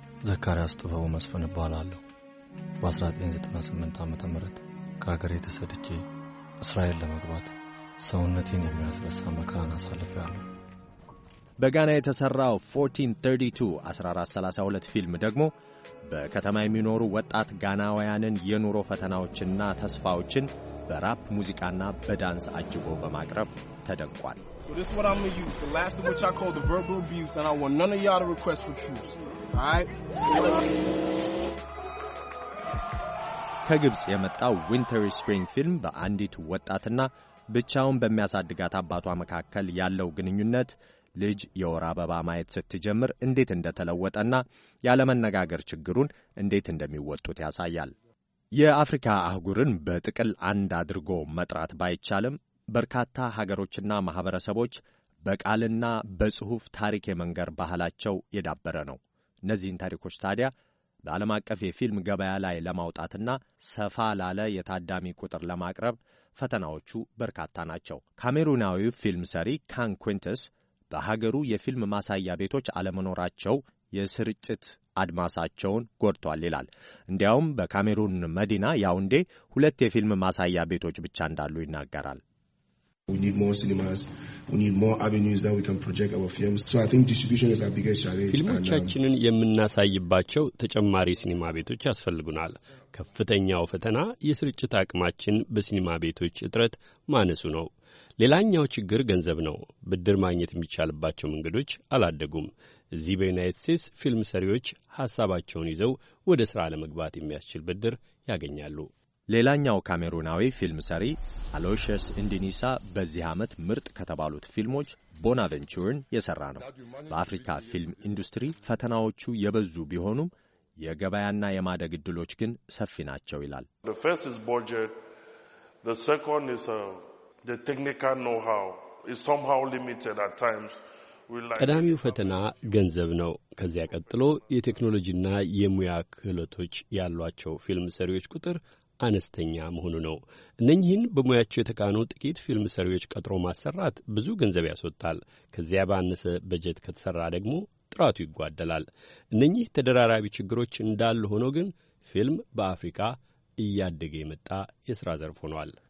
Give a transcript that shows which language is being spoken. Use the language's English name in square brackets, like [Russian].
[Amharic] ዘካርያስ ጥበቡ መስፍን እባላለሁ። በ1998 ዓ.ም ከሀገሬ ተሰድቼ እስራኤል ለመግባት ሰውነቴን የሚያስረሳ መከራን አሳልፌያለሁ። በጋና የተሠራው 1432 ፊልም ደግሞ በከተማ የሚኖሩ ወጣት ጋናውያንን የኑሮ ፈተናዎችና ተስፋዎችን በራፕ ሙዚቃና በዳንስ አጅቦ በማቅረብ ተደንቋል። [English] So this is what I'm going to use, the last of which I call the verbal abuse, and I want none of y'all to request for truce. All right? [Amharic] ከግብጽ የመጣው ዊንተር ስፕሪንግ ፊልም በአንዲት ወጣትና ብቻውን በሚያሳድጋት አባቷ መካከል ያለው ግንኙነት ልጅ የወር አበባ ማየት ስትጀምር እንዴት እንደተለወጠና ያለመነጋገር ችግሩን እንዴት እንደሚወጡት ያሳያል። የአፍሪካ አህጉርን በጥቅል አንድ አድርጎ መጥራት ባይቻልም በርካታ ሀገሮችና ማኅበረሰቦች በቃልና በጽሑፍ ታሪክ የመንገር ባህላቸው የዳበረ ነው። እነዚህን ታሪኮች ታዲያ በዓለም አቀፍ የፊልም ገበያ ላይ ለማውጣትና ሰፋ ላለ የታዳሚ ቁጥር ለማቅረብ ፈተናዎቹ በርካታ ናቸው። ካሜሩናዊው ፊልም ሰሪ ካን ኩንተስ በሀገሩ የፊልም ማሳያ ቤቶች አለመኖራቸው የስርጭት አድማሳቸውን ጎድቷል ይላል። እንዲያውም በካሜሩን መዲና ያውንዴ 2 የፊልም ማሳያ ቤቶች ብቻ እንዳሉ ይናገራል። [English] We need more cinemas. We need more avenues that we can project our films. So I think distribution is our biggest challenge. [Amharic] ፊልሞቻችንን የምናሳይባቸው ተጨማሪ ሲኒማ ቤቶች ያስፈልጉናል። ከፍተኛው ፈተና የስርጭት አቅማችን በሲኒማ ቤቶች እጥረት ማነሱ ነው። ሌላኛው ችግር ገንዘብ ነው። ብድር ማግኘት የሚቻልባቸው መንገዶች አላደጉም። እዚህ በዩናይትድ ስቴትስ ፊልም ሰሪዎች ሐሳባቸውን ይዘው ወደ ሥራ ለመግባት የሚያስችል ብድር ያገኛሉ። ሌላኛው ካሜሩናዊ ፊልም ሰሪ አሎሽስ ኢንዲኒሳ በዚህ ዓመት ምርጥ ከተባሉት ፊልሞች ቦናቬንቹርን የሰራ ነው። በአፍሪካ ፊልም ኢንዱስትሪ ፈተናዎቹ የበዙ ቢሆኑም የገበያና የማደግ ዕድሎች ግን ሰፊ ናቸው ይላል። [English] The first is budget. The second is the technical know-how. is somehow limited at times. [Amharic] ቀዳሚው ፈተና ገንዘብ ነው። ከዚያ ቀጥሎ የቴክኖሎጂና የሙያ ክህሎቶች ያሏቸው ፊልም ሰሪዎች ቁጥር አነስተኛ መሆኑ ነው። እነኚህን በሙያቸው የተካኑ ጥቂት ፊልም ሰሪዎች ቀጥሮ ማሰራት ብዙ ገንዘብ ያስወጣል። ከዚያ ባነሰ በጀት ከተሰራ ደግሞ ጥራቱ ይጓደላል። እነኚህ ተደራራቢ ችግሮች እንዳሉ ሆኖ ግን ፊልም በአፍሪካ እያደገ የመጣ የሥራ ዘርፍ ሆኗል።